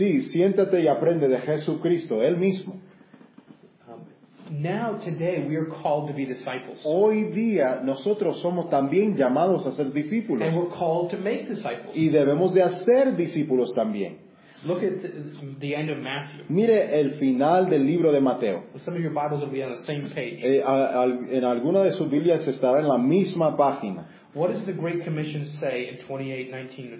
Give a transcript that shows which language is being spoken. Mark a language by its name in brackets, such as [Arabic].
[Spanish] Siéntate y aprende de Jesucristo, él mismo. [English] Now, today, we are called to be disciples. [Spanish] Hoy día, nosotros somos también llamados a ser discípulos. [English] And we're called to make disciples. [Spanish] Y debemos de hacer discípulos también. [English] Look at the end of Matthew. [Spanish] Mire el final del libro de Mateo. [English] Some of your Bibles will be on the same page. [Spanish] En alguna de sus Biblias estará en la misma página. [English] What does the Great Commission say in 28:19?